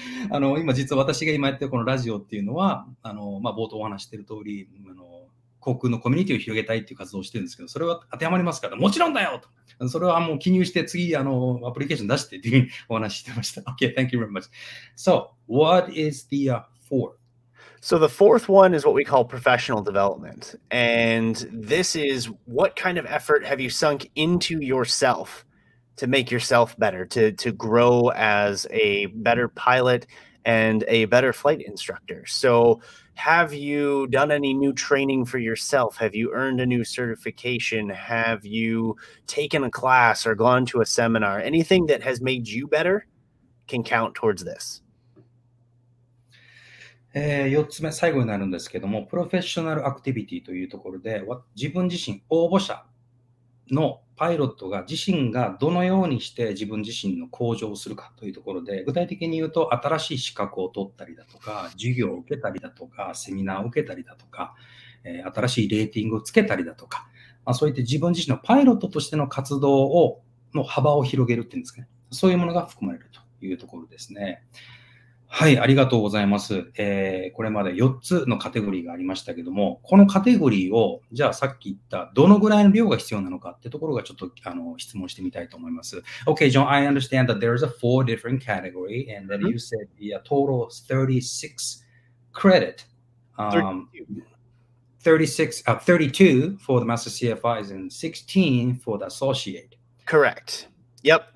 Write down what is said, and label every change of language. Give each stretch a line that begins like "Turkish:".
Japanese: あの今実は私が今やってるこのラジオっていうのは、あの、まあ、冒頭お話してる通り、あの航空のコミュニティを広げたいっていう活動をしてるんですけど、それは当てはまりますから、もちろんだよと。それはもう記入して次あのアプリケーション出してっていうふうにお話してました。
English: Okay, thank you very much. So, what is the four? So the fourth one is what we call professional development. And this is what kind of effort have you sunk into yourself to make yourself better, to grow as a better pilot and a better flight instructor. So have you done any new training for yourself? Have you earned a new certification? Have you taken a class or gone to a seminar? Anything that has made you better can count towards this.
Japanese: 4つ目、最後になるんですけども、プロフェッショナルアクティビティというところで、自分自身、応募者のパイロットが自身がどのようにして自分自身の向上をするかというところで、具体的に言うと新しい資格を取ったりだとか、授業を受けたりだとか、セミナーを受けたりだとか、新しいレーティングをつけたりだとか、まあ、そういって自分自身のパイロットとしての活動をの幅を広げるっていうんですかね、そういうものが含まれるというところですね。はい、ありがとうございます。これまで4つのカテゴリーがありましたけども、このカテゴリーをじゃあさっき言ったどのぐらいの量が必要なのかってところがちょっと質問してみたいと思います。
English: OK John, I understand that there is a four different category and that you said the total is 36 credit 32 for the master CFIs and 16 for the associate. Correct. Yep.